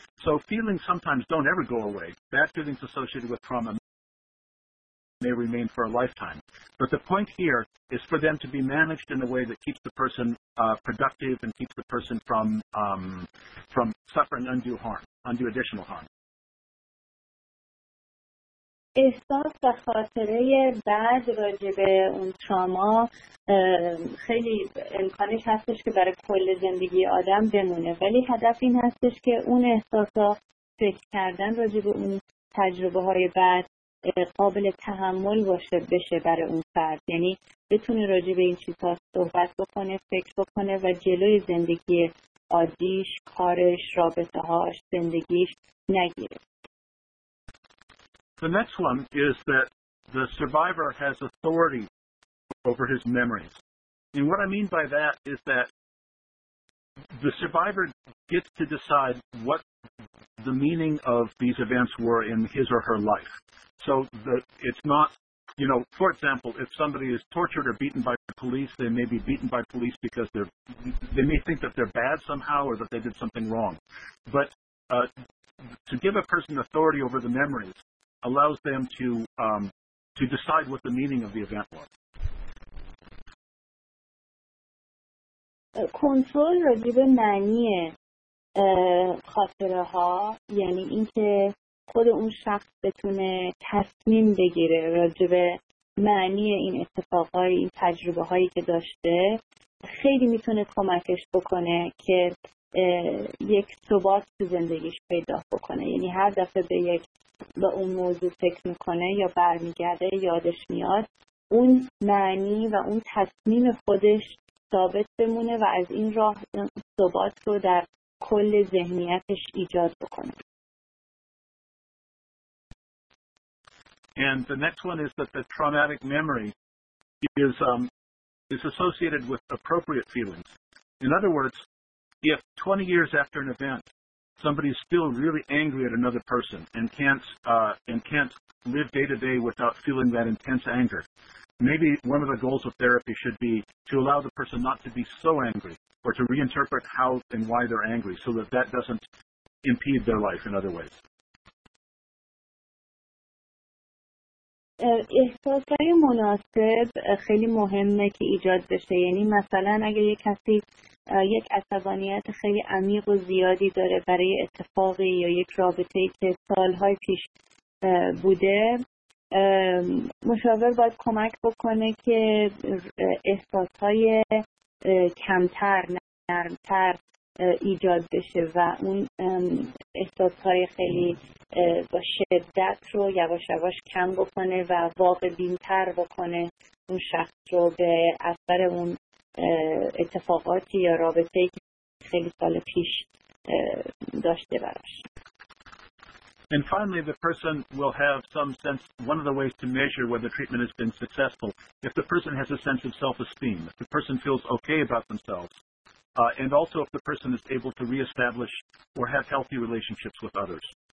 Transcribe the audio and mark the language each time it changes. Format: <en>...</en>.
<en>So feelings sometimes don't ever go away. Bad feelings associated with trauma may remain for a lifetime. But the point here is for them to be managed in a way that keeps the person productive and keeps the person from suffering undue harm, undue additional harm.</en> <fa>احساس و خاطره بعد راجع به اون تراما خیلی امکانش هستش که برای کل زندگی آدم بمونه، ولی هدف این هستش که اون احساسا فکر کردن راجع به اون تجربه های بعد قابل تحمل باشه بشه برای اون فرد، یعنی بتونه راجع به این چیزها صحبت بکنه، فکر بکنه و جلوی زندگی عادیش، کارش، رابطه هاش، زندگیش نگیره.</fa> <en>The next one is that the survivor has authority over his memories. And what I mean by that is that the survivor gets to decide what the meaning of these events were in his or her life. So it's not, you know, for example, if somebody is tortured or beaten by police, they may be beaten by police because they may think that they're bad somehow or that they did something wrong. But to give a person authority over the memories allows them to decide what the meaning of the event was.</en> <fa>کنترل راجع به معنی خاطره ها، یعنی اینکه خود اون شخص بتونه تصمیم بگیره راجع به معنی این اتفاقای این تجربه هایی که داشته، خیلی میتونه کمکش بکنه که یک ثبات تو زندگیش پیدا بکنه. یعنی هر دفعه به یک به اون موضوع فکر میکنه یا برمیگرده یادش میاد، اون معنی و اون تصمیم خودش ثابت بمونه و از این راه ثبات رو در کل ذهنیتش ایجاد بکنه.</fa> <en>And the next one is that the traumatic memory is associated with appropriate feelings. In other words, if 20 years after an event, somebody is still really angry at another person and can't live day to day without feeling that intense anger, maybe one of the goals of therapy should be to allow the person not to be so angry, or to reinterpret how and why they're angry so that that doesn't impede their life in other ways.</en> <fa>احساسهای مناسب خیلی مهمه که ایجاد بشه. یعنی مثلا اگه یک کسی یک عصبانیت خیلی عمیق و زیادی داره برای اتفاقی یا یک رابطه‌ای که سالهای پیش بوده، مشاور باید کمک بکنه که احساسهای کمتر، نرمتر ایجاد بشه و اون احساسهای خیلی با شدت رو یواش یواش کم بکنه و واقع بینتر بکنه اون شخص رو به اثر اون اتفاقاتی یا رابطه‌ای که خیلی سال پیش داشته براش.</fa> <en>And finally, the person will have some sense, one of the ways to measure whether treatment has been successful, if the person has a sense of self-esteem, if the person feels okay about themselves, and also if the person is able to reestablish or have healthy relationships with others.</en>